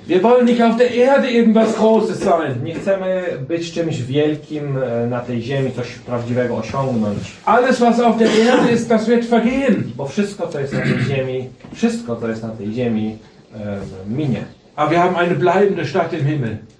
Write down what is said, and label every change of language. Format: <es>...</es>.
<de>Wir wollen nicht auf der Erde irgendwas Großes sein.</de> <pl>Nie chcemy być czymś wielkim na tej ziemi, coś prawdziwego osiągnąć.</pl> <de>Alles was auf der Erde ist, das wird vergehen.</de> <pl>Bo wszystko co jest na tej ziemi, wszystko co jest na tej ziemi minie.</pl> <de>Aber wir haben eine bleibende Stadt im Himmel.</de>